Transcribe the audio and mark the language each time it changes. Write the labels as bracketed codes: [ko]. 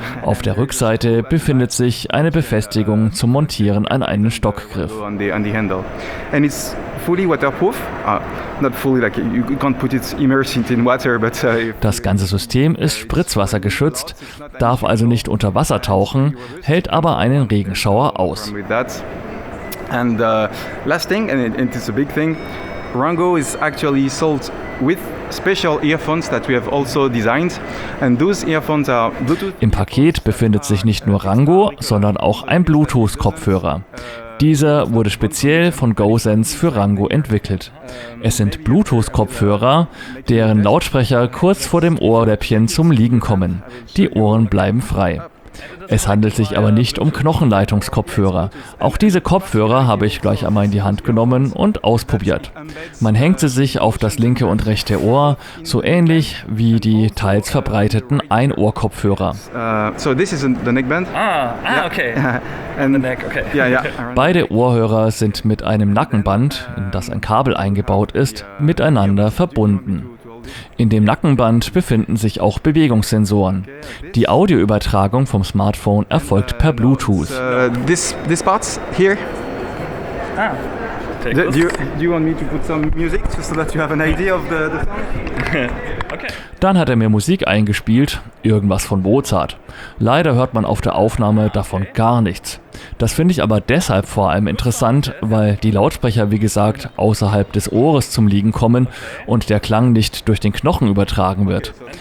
[de] Auf der Rückseite befindet sich eine Befestigung zum Montieren an einen Stockgriff. [en] On the handle. And it's fully waterproof. Not fully, like you can't put it immersed in water, but [de] das ganze System ist spritzwassergeschützt, darf also nicht unter Wasser tauchen, hält aber einen Regenschauer aus. [en] And last thing, and it is a big thing, Rungo is actually sold with special earphones that we have also designed, and those earphones are Bluetooth. [de] Im Paket befindet sich nicht nur Rungo, sondern auch ein Bluetooth-Kopfhörer. Dieser wurde speziell von GoSense für Rungo entwickelt. Es sind Bluetooth-Kopfhörer, deren Lautsprecher kurz vor dem Ohrläppchen zum Liegen kommen. Die Ohren bleiben frei. Es handelt sich aber nicht um Knochenleitungskopfhörer. Auch diese Kopfhörer habe ich gleich einmal in die Hand genommen und ausprobiert. Man hängt sie sich auf das linke und rechte Ohr, so ähnlich wie die teils verbreiteten Ein-Ohr-Kopfhörer. [en] So this is the neckband. Okay. And the neck, okay. Yeah, yeah. [de] Beide Ohrhörer sind mit einem Nackenband, in das ein Kabel eingebaut ist, miteinander verbunden. In dem Nackenband befinden sich auch Bewegungssensoren. Die Audioübertragung vom Smartphone erfolgt per Bluetooth. [en] This part here. Do you want me to put some music just so that you have an idea of the song? [de] Dann hat er mir Musik eingespielt, irgendwas von Mozart. Leider hört man auf der Aufnahme davon gar nichts. Das finde ich aber deshalb vor allem interessant, weil die Lautsprecher, wie gesagt, außerhalb des Ohres zum Liegen kommen und der Klang nicht durch den Knochen übertragen wird.